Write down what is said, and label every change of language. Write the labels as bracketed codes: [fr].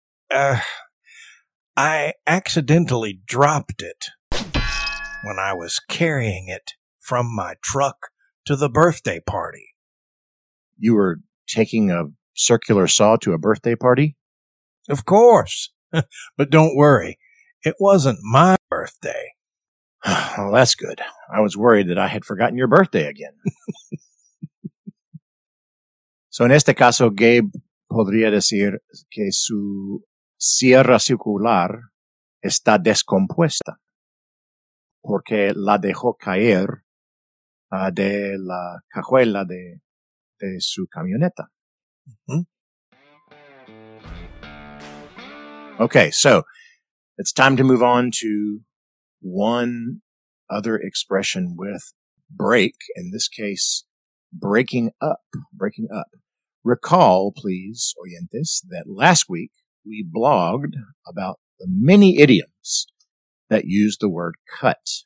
[en] I accidentally dropped it when I was carrying it from my truck to the birthday party. You were taking a circular saw to a birthday party? Of course. But don't worry. It wasn't my birthday. Well, that's good. I was worried that I had forgotten your birthday again. So in [es] este caso, Gabe podría decir que su sierra circular está descompuesta porque la dejó caer de la cajuela de su camioneta. Mm-hmm. [en] Okay, so it's time to move on to one other expression with break, in this case, breaking up. Recall, please, oyentes, that last week we blogged about the many idioms that use the word cut.